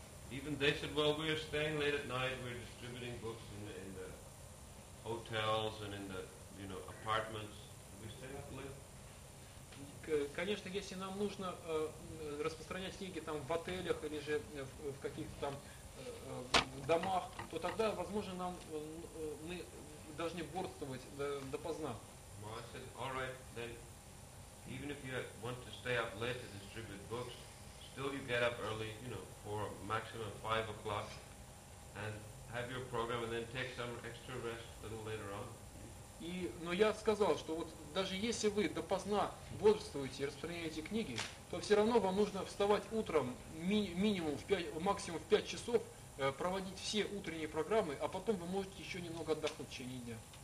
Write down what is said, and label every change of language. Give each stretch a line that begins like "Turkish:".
English: Even they said, well, we are staying late at night, we're distributing books in the hotels and in the, you know, apartments. We stay up late.
Russian: Конечно, если нам нужно распространять книги там в отелях или же в каких-то там в домах, то тогда, возможно, нам мы должны бортствовать допоздна.
English: Well, I said, all right, then, even if you want to stay up late to distribute books, still you get up early, you know, for maximum 5 o'clock, and have your program, and then take some extra rest a little later on.
Russian: Но я сказал, что вот даже если вы допоздна бодрствуете и распространяете книги, то все равно вам нужно вставать утром максимум в 5 часов, проводить все утренние программы, а потом вы можете еще немного отдохнуть в течение дня.